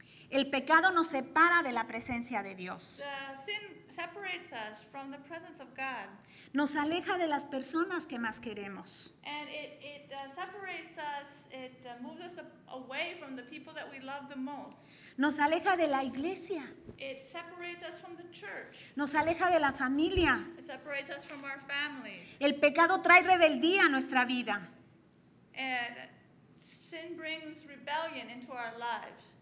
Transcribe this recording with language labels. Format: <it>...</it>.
<es>El pecado nos separa de la presencia de Dios.</es> <en>Sin separates us from the presence of God.</en> <es>Nos aleja de las personas que más queremos.</es> <en>And it separates us, moves us away from the people that we love the most.</en> <es>Nos aleja de la iglesia.</es> <en>It separates us from the church.</en> <es>Nos aleja de la familia.</es> <en>It separates us from our families.</en> <es>El pecado trae rebeldía a nuestra vida.</es> <en>And sin brings rebellion into our lives.</en>